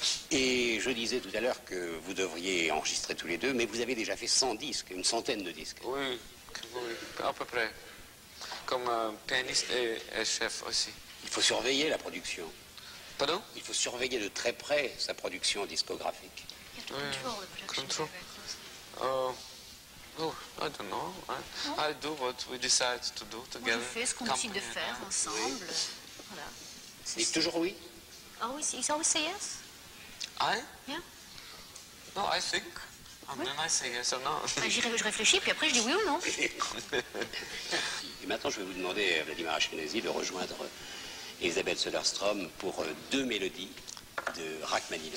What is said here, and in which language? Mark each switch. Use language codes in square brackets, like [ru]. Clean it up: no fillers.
[fr] Et je disais tout à l'heure que vous devriez enregistrer tous les deux, mais vous avez déjà fait 100 disques, une centaine de disques. Oui, à peu près. Comme pianiste et chef aussi. Il faut surveiller la production. Pardon? Il faut surveiller de très près sa production discographique. [en] Control. Oh, I don't know. Non. I do what we decide to do together. [fr] On fait ce qu'on décide de faire ensemble. Oui. Voilà. C'est toujours oui. [en] Always, he's always say yes. I? Yeah. No, I think. And oui. Then I say yes or no. [fr] Je réfléchis, puis après je dis oui ou non. Et maintenant, je vais vous demander, Vladimir Ashkenazy, de rejoindre Elisabeth Söderström pour deux mélodies de Rachmaninov.